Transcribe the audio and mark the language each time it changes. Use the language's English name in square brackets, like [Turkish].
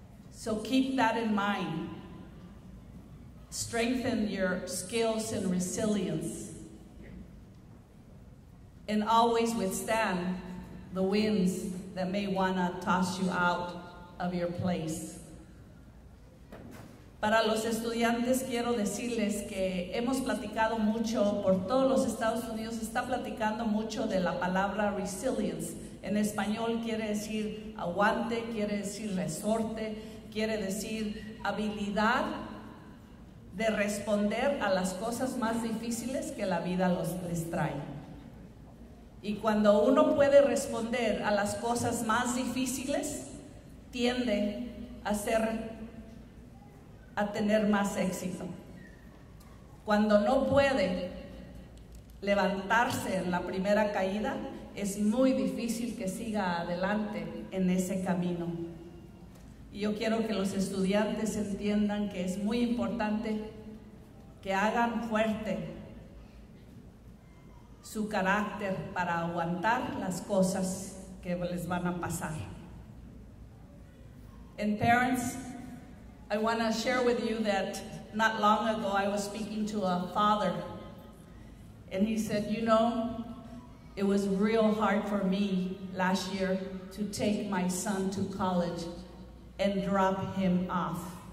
[English] So keep that in mind. Strengthen your skills and resilience. And always withstand the winds that may wanna toss you out of your place. [Spanish] Para los estudiantes quiero decirles que hemos platicado mucho por todos los Estados Unidos, está platicando mucho de la palabra resilience. En español quiere decir aguante, quiere decir resorte, quiere decir habilidad de responder a las cosas más difíciles que la vida les trae. Y cuando uno puede responder a las cosas más difíciles, tiende a tener más éxito. Cuando no puede levantarse en la primera caída, es muy difícil que siga adelante en ese camino. Y yo quiero que los estudiantes entiendan que es muy importante que hagan fuerte su carácter para aguantar las cosas que les van a pasar. [English] And parents, I want to share with you that not long ago I was speaking to a father, and he said, you know, it was real hard for me last year to take my son to college and drop him off.